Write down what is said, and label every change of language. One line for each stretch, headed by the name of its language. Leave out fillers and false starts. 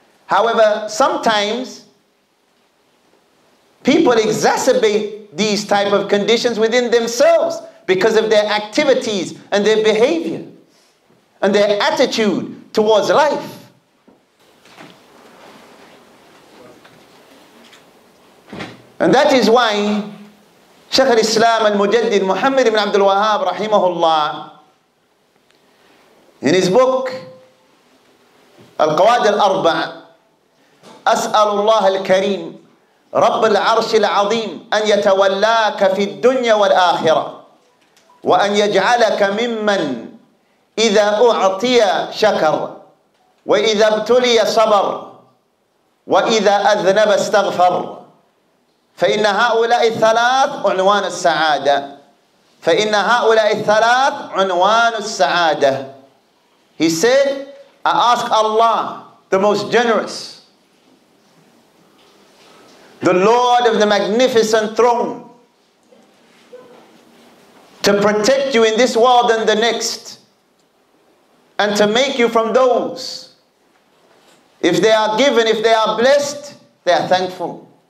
English: However, sometimes people exacerbate these type of conditions within themselves because of their activities and their behavior and their attitude towards life. And that is why Shaykh al-Islam al-Mujaddid Muhammad ibn Abdul Wahhab rahimahullah, in his book Al-Qawad al-Arba,
Arabic: أسأل الله الكريم رب العرش العظيم أن يتولاك في الدنيا والآخرة وأن يجعلك ممن إذا أعطي شكر وإذا ابتلي صبر وإذا أذنب استغفر فإن هؤلاء الثلاث عنوان السعادة فإن هؤلاء الثلاث عنوان السعادة.
English: He said, I ask Allah, the most generous, the Lord of the magnificent throne, to protect you in this world and the next, and to make you from those, if they are given, if they are blessed, they are thankful.